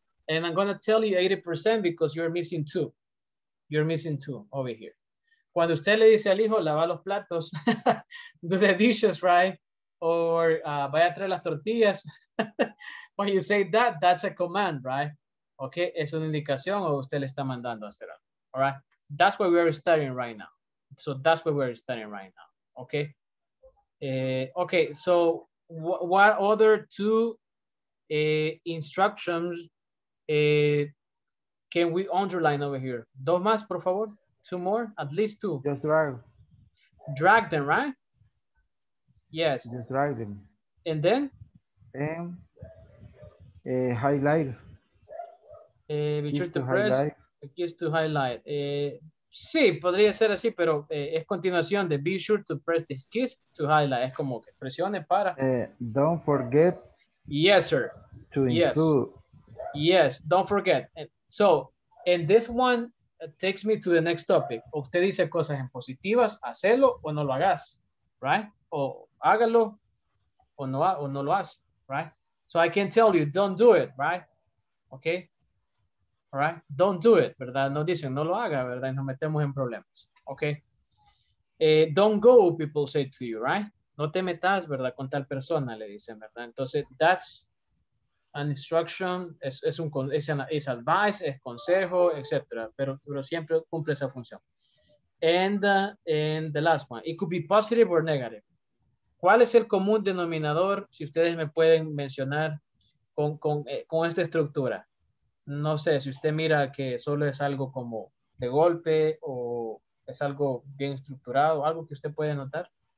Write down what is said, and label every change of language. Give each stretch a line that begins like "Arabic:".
English: And I'm going to tell you 80% because you're missing two. You're missing two over here.
Spanish: Cuando usted le dice al hijo, lava los platos,
English: do the dishes, right? Or
Spanish: vaya a traer las tortillas.
English: When you say that, that's a command, right?
Spanish: Okay, es una indicación o usted le está mandando a hacer algo.
English: All right, that's what we're studying right now. So that's what we're studying right now, okay? Okay, so what other two instructions can we underline over here?
Spanish: Dos más, por favor.
English: Two more, at least two. Just drive. Drag them, right? Yes. Just drive them. And then? Highlight. Be sure to press. Just to highlight.
Spanish: Sí, podría ser así, pero es continuación de
English: be sure to press this keys to highlight.
Spanish: Es como que presione para.
English: Don't forget. Yes, sir. To include. Yes, don't forget. So, and this one takes me to the next topic.
Spanish: Usted dice cosas en positivas, hacelo o no lo hagas, right? O hágalo o no lo hace, right?
English: So I can tell you, don't do it, right? Okay? All right? Don't do it,
Spanish: ¿verdad? No dicen, no lo haga, ¿verdad? Y nos metemos en problemas, okay?
English: Don't go, people say to you, right?
Spanish: No te metas, ¿verdad? Con tal persona, le dicen, ¿verdad? Entonces,
English: that's an instruction,
Spanish: es advice, es consejo, etc. Pero siempre cumple esa función.
English: And the last one, it could be positive or negative.
Spanish: ¿Cuál es el común denominador, si ustedes me pueden mencionar, con esta estructura? No sé, si usted mira que solo es algo como de golpe o es algo bien estructurado, algo que usted puede notar.